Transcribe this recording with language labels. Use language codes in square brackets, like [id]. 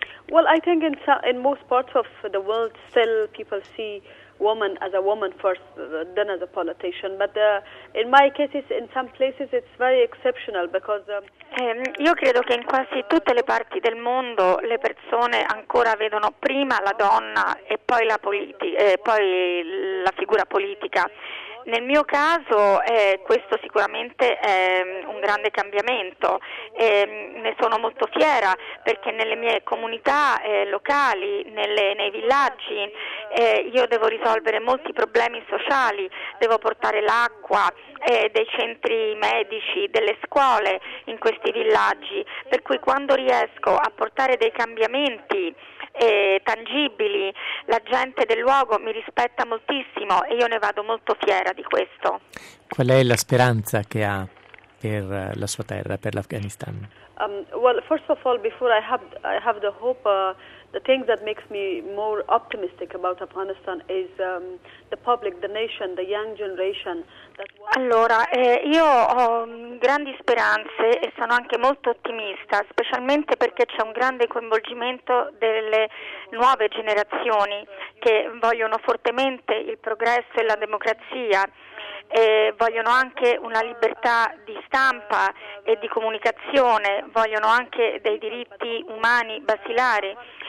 [en] Well, I think in most parts of the world still people see woman as a woman first, then as a politician. But in my cases, in some places, it's very exceptional because. [it] Io credo che in quasi tutte le parti del mondo le persone ancora vedono prima la donna e poi la poi la figura politica. Nel mio caso questo sicuramente è un grande cambiamento e ne sono molto fiera perché nelle mie comunità locali, nei villaggi, io devo risolvere molti problemi sociali, devo portare l'acqua, dei centri medici, delle scuole in questi villaggi, per cui quando riesco a portare dei cambiamenti tangibili, la gente del luogo mi rispetta moltissimo e io ne vado molto fiera di questo. Qual è la speranza che ha per la sua terra, per l'Afghanistan? [en] Well, first of all, before I have the hope, the thing that makes me more optimistic about Afghanistan is the public, the nation, the young generation. [it] Allora, io ho grandi speranze e sono anche molto ottimista, specialmente perché c'è un grande coinvolgimento delle nuove generazioni che vogliono fortemente il progresso e la democrazia e vogliono anche una libertà di stampa e di comunicazione, vogliono anche dei diritti umani basilari.